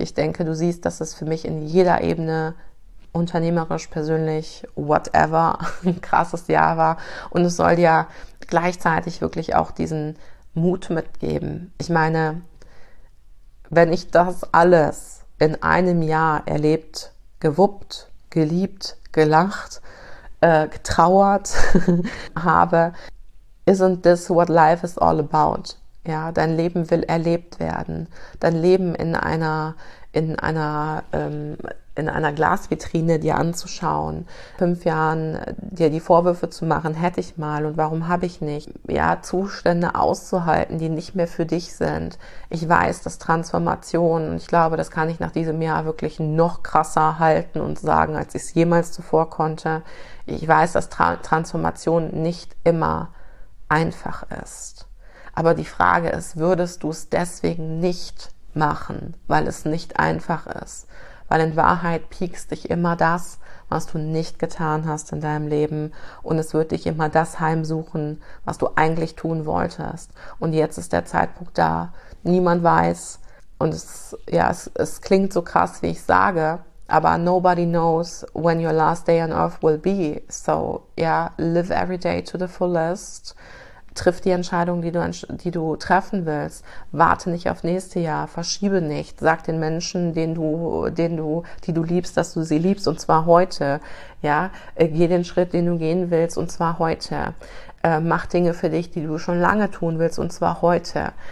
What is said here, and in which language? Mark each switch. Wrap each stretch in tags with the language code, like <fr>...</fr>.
<de>Ich denke, du siehst, dass es für mich in jeder Ebene, unternehmerisch, persönlich, whatever, ein krasses Jahr war. Und es soll dir gleichzeitig wirklich auch diesen Mut mitgeben. Ich meine, wenn ich das alles in einem Jahr erlebt, gewuppt, geliebt, gelacht, getrauert habe,</de> <en>isn't this what life is all about?</en> <de>Ja, dein Leben will erlebt werden. Dein Leben in einer Glasvitrine dir anzuschauen, 5 Jahren dir die Vorwürfe zu machen, hätte ich mal und warum habe ich nicht? Ja, Zustände auszuhalten, die nicht mehr für dich sind. Ich weiß, dass Transformation, ich glaube, das kann ich nach diesem Jahr wirklich noch krasser halten und sagen, als ich es jemals zuvor konnte. Ich weiß, dass Transformation nicht immer einfach ist. Aber die Frage ist, würdest du es deswegen nicht machen, weil es nicht einfach ist? Weil in Wahrheit piekst dich immer das, was du nicht getan hast in deinem Leben. Und es wird dich immer das heimsuchen, was du eigentlich tun wolltest. Und jetzt ist der Zeitpunkt da. Niemand weiß. Und es klingt so krass, wie ich sage.</de> <en>Aber nobody knows when your last day on earth will be. So,</en> <de>ja,</de> <en>yeah, live every day to the fullest.</en> <de>Triff die Entscheidung, die du treffen willst. Warte nicht auf nächste Jahr. Verschiebe nicht. Sag den Menschen, die du liebst, dass du sie liebst, und zwar heute. Ja, geh den Schritt, den du gehen willst, und zwar heute. Mach Dinge für dich, die du schon lange tun willst, und zwar heute.</de>